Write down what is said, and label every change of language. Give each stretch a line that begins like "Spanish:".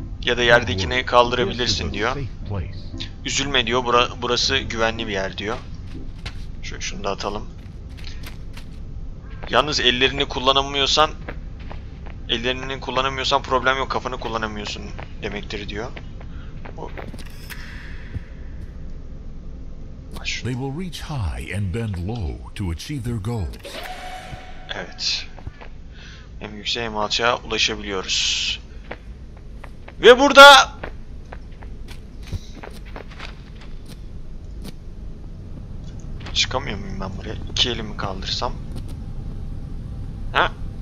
Turkish: Ya da yerdekini kaldırabilirsin diyor. Üzülme diyor. Burası güvenli bir yer diyor. Şunu da atalım. Yalnız ellerini kullanamıyorsan problem yok. Kafanı kullanamıyorsun demektir diyor.
English: They will reach high and bend low to achieve their goals.
Turkish: Evet. Hem yükseğe hem alçağa ulaşabiliyoruz. Ve burada... Çıkamıyor muyum ben buraya? İki elimi kaldırsam? Ha?